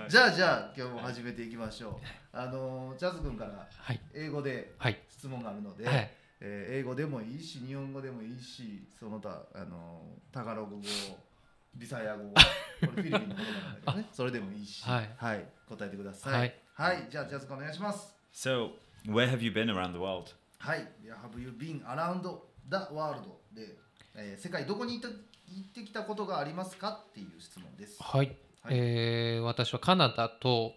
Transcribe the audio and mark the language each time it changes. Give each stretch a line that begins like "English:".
Japanese: はい、じゃあ今日も始めていきましょう。はい、ジャズ君から英語で質問があるので、はいはい、英語でもいいし日本語でもいいし、その他タガログ語ビサヤ語、これフィリピンの言葉なんだけどね、それでもいいし、はい、はい、答えてください。はい、はい、じゃあジャズ子お願いします。
English: So, where have you been around the world? はい、Where have you been around the world?
Japanese: で、世界どこに行ってきたことがありますかっていう質問です。はい、はい、私はカナダと、